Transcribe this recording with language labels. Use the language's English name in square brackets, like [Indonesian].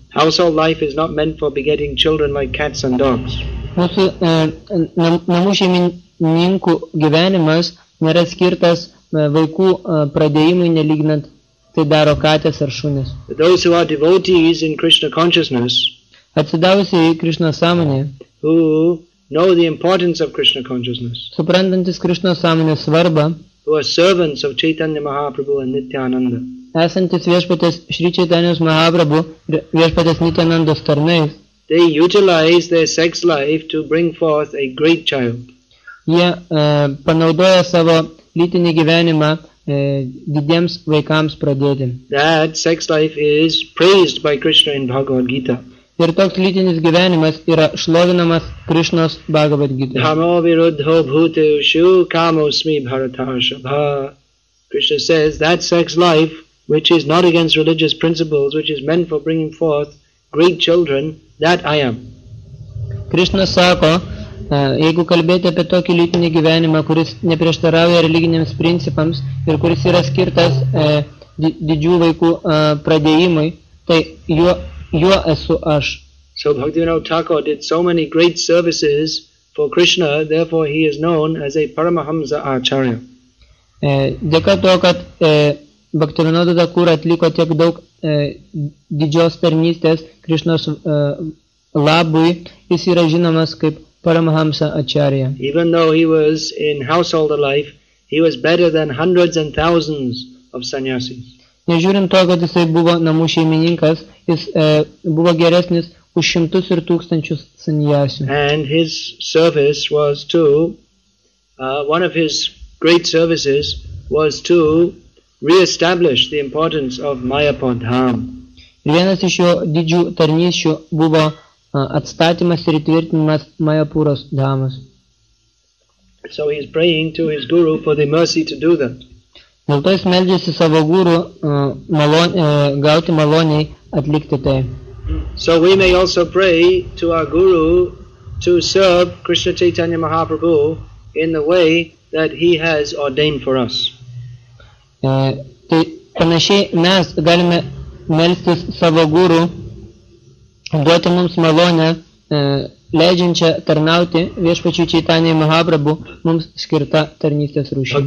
[English] Household life is not meant for begetting children like cats and dogs. [Lithuanian] Mūsų namų šeimininkų gyvenimas nėra skirtas vaikų pradėjimui, nelyginant tai daro katės ar šunis. [English] But those who are devotees in Krishna consciousness, [Lithuanian] atsidavusi į Krishna sąmonę, [English] who know the importance of Krishna consciousness, [Lithuanian] suprantantis Krishna sąmonės svarbą, [English] who are servants of Chaitanya Mahaprabhu and Nityananda, [Lithuanian] esantis viešpatės Šri Čaitanijos Mahaprabhu ir viešpatės Nityanandos tarnais, [English] they utilize their sex life to bring forth a great child. [Lithuanian] Jie panaudoja savo lytinį gyvenimą didiems vaikams pradėti. [English] That sex life is praised by Krishna in Bhagavad Gita. [Lithuanian] Ir toks lytinis gyvenimas yra šlovinamas Krishnas Bhagavad Gita. [Sanskrit] Dhamo virudho bhuteshu kamosmi bharatashabha. [English] Krishna says that sex life, which is not against religious principles, which is meant for bringing forth great children, that I am. [Lithuanian] Krishna sako, jeigu kalbėti apie tokį lytinį gyvenimą, kuris neprieštarauja religiniams principams ir kuris yra skirtas didžių vaikų pradėjimui, tai juo esu aš. [English] So Bhaktivinoda Thakur did so many great services for Krishna, therefore he is known as a Paramahamsa Acharya. [Lithuanian] Dėka to, kad Bhaktivinoda Thakur atliko tiek daug didžios tarnystės Krishnos labui, jis yra žinomas kaip Paramahamsa Acharya. [English] Even though he was in householder life, he was better than hundreds and thousands of sannyasis. [Lithuanian] Nežiūrint to, kad jisai buvo namų šeimininkas, jis buvo geresnis už šimtus ir tūkstančius sannyasių. [English] And his service was to, one of his great services was to re-establish the importance of Mayapadham. [Lithuanian] Vienas iš jo didžių tarnysčių buvo atstatymas ir įtvirtinimas Mayapuros dhamas. [English] So he is praying to his guru for the mercy to do that. [Lithuanian] Dėl to jis meldžiasi savo guru gauti maloniai atlikti tai. [English] So we may also pray to our guru to serve Krishna Chaitanya Mahaprabhu in the way that he has ordained for us. [Lithuanian] Tai panašiai mes galime melstis savo guru duoti mums malonę, leidžiančią tarnauti viešpačiu Čaitanijai Mahaprabhu, mums skirta tarnystės rūšė.